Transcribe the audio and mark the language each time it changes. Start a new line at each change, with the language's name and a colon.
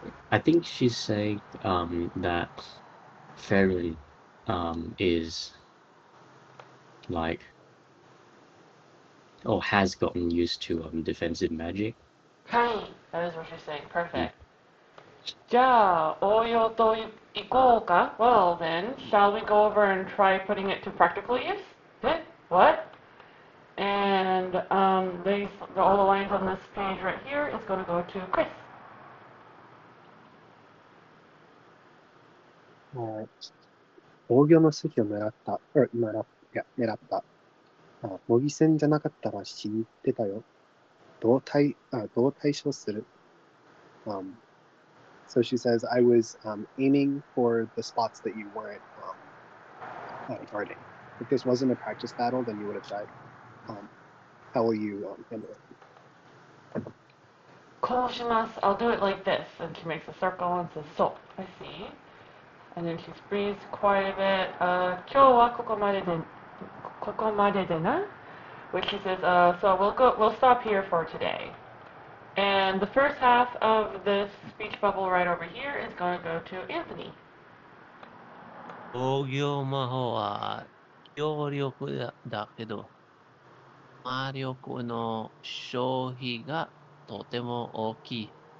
English: I think she's saying that Ferun is like or has gotten used to defensive magic. Hi, that is what she's saying. Perfect.
Japanese: じゃあ、応用と行こうか。
English: Well, then, shall we go over and try putting it to practical use? What? And all the lines on this page right here is going to go to Chris.
Japanese: 防御の席を狙った、狙った。模擬戦じゃなかったら死んでたよ。どう対処する。
English: So she says, I was aiming for the spots that you weren't guarding. If this wasn't a practice battle, then you would have died. How will you handle it? I'll do it like this. And she makes a circle and says, So, I see. And then she breathes quite a bit.
Japanese: 今日はここまででな?
English: Which she says, we'll stop here for today. And the first half of this speech bubble right over here is going to go to Anthony.
Japanese: 防御魔法は強力だけど、魔力の消費がとても大きい。